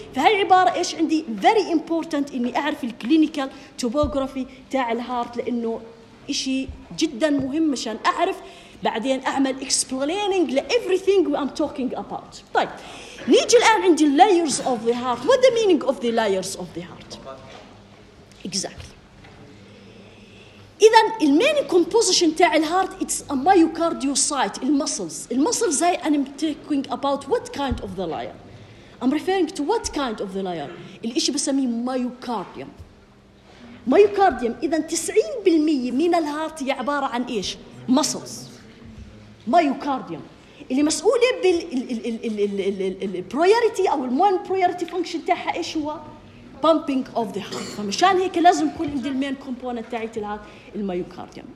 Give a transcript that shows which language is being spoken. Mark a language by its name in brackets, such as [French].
[Arabic] فهي عبارة إيش عندي [English] very important [Arabic] إني أعرف الكلينيكال توبوغرافي تاع الهارت لأنه إشي جدا مهم عشان أعرف بعدين أعمل [English] explaining everything we am talking about. [Arabic] طيب نيجي الآن عندي [English] layers of the heart. What the meaning of the layers of the heart? Exactly. إذن the main composition [Arabic] تاع الهارت [English] it's a myocardiocyte المسلز. [Arabic] المسلز هاي [English] I'm talking about what kind of the layer. I'm referring to what kind of the layer. [Arabic] الإشي بسميه [English] myocardium. [Arabic] مايوكارديوم إذا 90% من الهارت هي عبارة عن إيش؟ مسلز. مايوكارديوم اللي مسؤولة بالبريوريتي أو المون بريوريتي فانكشن تاعها إيش هو؟ [English] Pumping of the heart. [Arabic] فمشان هيك لازم يكون عندي المين كومبوننت تاعي الهارت المايوكارديوم.